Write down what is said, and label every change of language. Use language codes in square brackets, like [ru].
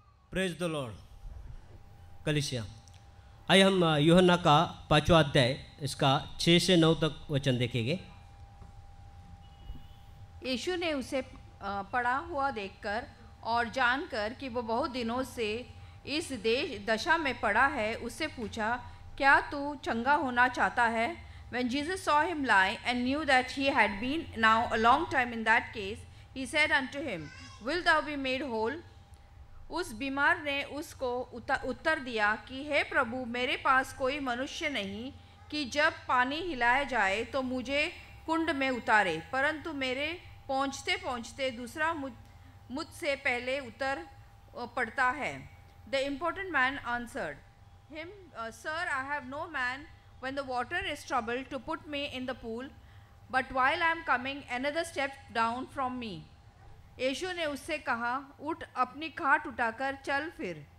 [en] praise the Lord [hi] कलिसिया, आइए हम यूहन्ना का पांचवा अध्याय इसका 6-9 तक वचन देखेंगे। यीशु ने उसे पड़ा हुआ देखकर और जानकर कि वो बहुत दिनों से इस देश दशा में पड़ा है, उससे पूछा, क्या तू चंगा होना चाहता है? [en] When Jesus saw him lie and knew that he had been now a long time in that case, he said unto him, Will thou be made whole? [hi] उस बीमार ने उसको उत्तर दिया कि हे प्रभु, मेरे पास कोई मनुष्य नहीं कि जब पानी हिलाया जाए तो मुझे कुंड में उतारे, परंतु मेरे पहुँचते पहुँचते दूसरा मुझसे पहले उतर पड़ता है। [en] The important man answered him, sir, I have no man when the water is troubled to put me in the pool, but while I am coming, another step down from me. [hi] Yeshu ne usse kaha, ut apni khat utakar chal fir.